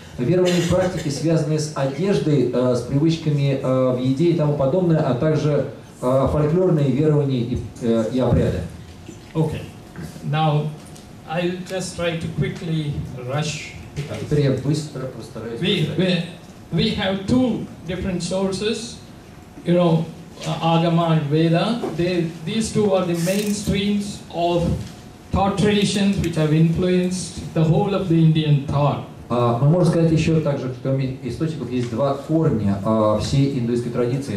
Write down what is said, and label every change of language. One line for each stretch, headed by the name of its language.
Russian: Верования и практики, связанные с одеждой, с привычками в еде и тому подобное, а также фольклорные верования и обряды.
English: Okay. Now, I'll just try to quickly rush.
Russian: Теперь я быстро постараюсь.
English: We have two different sources, you know, Agama and Veda. These two are the main streams of thought traditions which have influenced the whole of the Indian thought.
Russian: Мы можем сказать еще также, что у источников есть два корня всей индуистской традиции.